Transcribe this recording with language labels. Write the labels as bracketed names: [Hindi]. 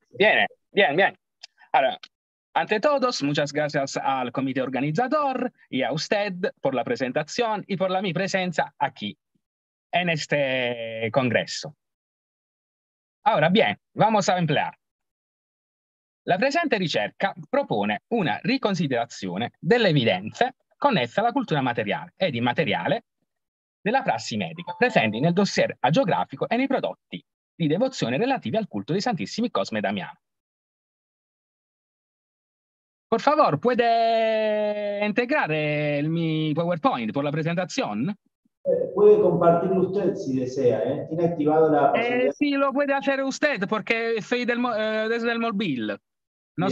[Spanish] Bien. Ahora. Ante todos, muchas gracias al comité organizador y a usted por la presentación y por la mi presencia aquí, en este congreso. Ahora bien, vamos a emplear. [Italian] La presente ricerca propone una riconsiderazione delle evidenze connesse alla cultura materiale ed immateriale della prassi medica, presenti nel dossier agiografico e nei prodotti di devozione relativi al culto dei Santissimi Cosme e Damiano. [Spanish] Por favor, ¿puede integrar mi PowerPoint por la presentación? Puede compartirlo usted si desea, ¿eh? Tiene activado la posibilidad. Sí, lo puede hacer usted porque soy desde el móvil, no bien.